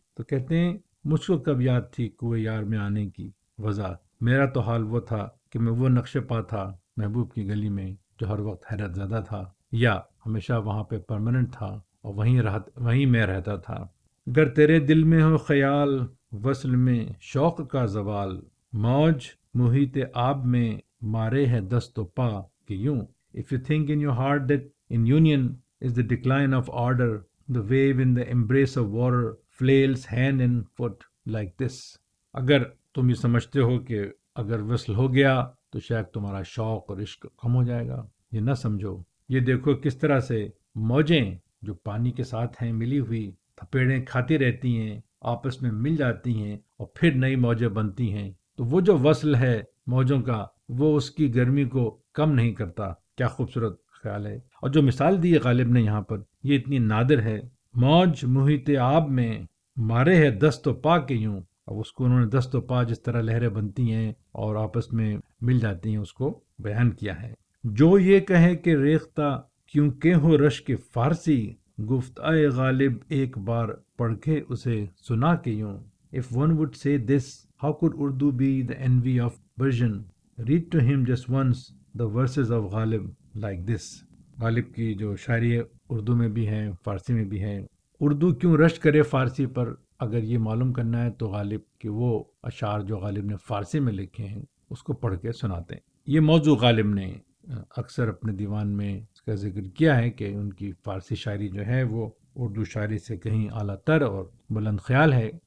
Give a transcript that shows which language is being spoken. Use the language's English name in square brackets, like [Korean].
[Urdu] تو کہتے ہیں مجھ کو کب یاد تھی کوئے یار میں آنے کی وضع، میرا تو حال وہ تھا کہ میں وہ نقش پا تھا محبوب کی گلی میں جو ہر وقت حیرت زدہ تھا، یا ہمیشہ وہاں پہ پرماننٹ تھا اور وہیں میں رہتا تھا. گر تیرے دل میں ہو خیال وصل میں شوق کا زوال، موج محیط آب میں مارے ہے دست و پا کہ یوں. [English] If you think in your heart that in union is the decline of order, the wave in the embrace of water flails hand and foot like this. [Urdu] اگر تم یہ سمجھتے ہو کہ اگر وصل ہو گیا تو شاید تمہارا شوق اور عشق کم ہو جائے گا، یہ نہ سمجھو. یہ دیکھو کس طرح سے موجیں جو پانی کے ساتھ ہیں ملی ہوئی تھپیڑیں کھاتی رہتی ہیں، آپس میں مل جاتی ہیں اور پھر نئی موجیں بنتی ہیں، تو وہ جو وصل ہے موجوں کا وہ اس کی گرمی کو کم نہیں کرتا. کیا خوبصورت خیال ہے. اور جو مثال دی غالب نے یہاں پر یہ اتنی نادر ہے. موج محیط آب میں مارے ہے دست و پا کے یوں، اب اس کو انہوں نے دست و پا جس طرح لہریں بنتی ہیں اور آپس میں مل جاتی ہیں اس کو بیان کیا ہے. جو یہ کہیں کہ ریختہ کیونکہ ہو رشک فارسی، گفتگو غالب ایک بار پڑھ کے اسے سنا کے یوں. [English] If one would say this, how could Urdu be the envy of Persian? Read to him just once the verses of Ghalib like this. [Urdu] غالب کی جو شاعری اردو میں بھی ہیں فارسی میں بھی ہیں. اردو کیوں رش کرے فارسی پر، اگر یہ معلوم کرنا ہے تو غالب کہ وہ اشعار جو غالب نے فارسی میں لکھے ہیں اس کو پڑھ کے سناتے ہیں. یہ موضوع غالب نے اکثر اپنے دیوان میں اس کا ذکر کیا ہے کہ ان کی فارسی شاعری جو ہے وہ اردو شاعری سے کہیں اعلیٰ تر اور بلند خیال ہے.